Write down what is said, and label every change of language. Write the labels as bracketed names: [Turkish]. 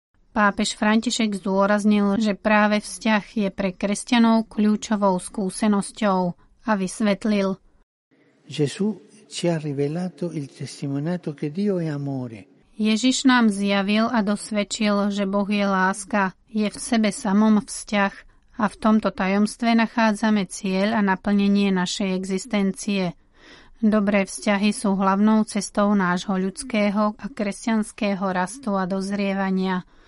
[Slovak] Pápež František zdôraznil, že práve vzťah je pre kresťanov kľúčovou skúsenosťou a vysvetlil. [Italian] Jesus ci ha rivelato il testimonato che Dio è amore. [Slovak] Ježiš nám zjavil a dosvedčil, že Boh je láska, je v sebe samom vzťah a v tomto tajomstve nachádzame cieľ a naplnenie našej existencie. Dobré vzťahy sú hlavnou cestou nášho ľudského a kresťanského rastu a dozrievania.